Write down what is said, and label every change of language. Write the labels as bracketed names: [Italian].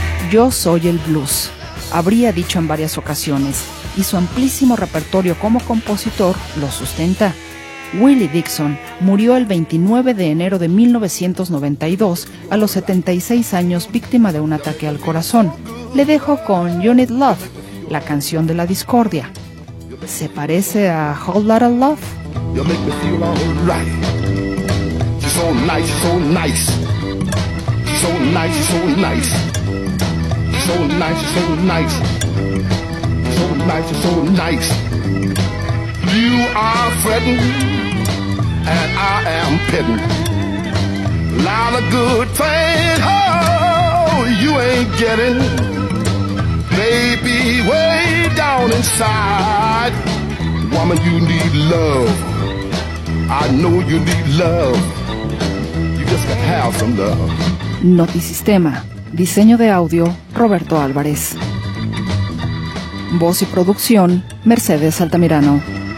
[Spanish] Yo soy el blues, habría dicho en varias ocasiones, y su amplísimo repertorio como compositor lo sustenta. Willie Dixon murió el 29 de enero de 1992 a los 76 años, víctima de un ataque al corazón. Le dejo con You Need Love, la canción de la discordia. ¿Se parece a Whole Lotta Love? [English] You make me feel alright. She's so nice, she's so nice. She's so nice, she's so nice. She's so nice, she's so nice. She's so nice, she's so nice. You are fretting and I am pitting. Not a good thing, oh, you ain't getting. Baby, way down inside. Woman, you need love. I know you need love. You just can have some love. [Spanish] Notisistema. Diseño de audio, Roberto Álvarez. Voz y producción, Mercedes Altamirano.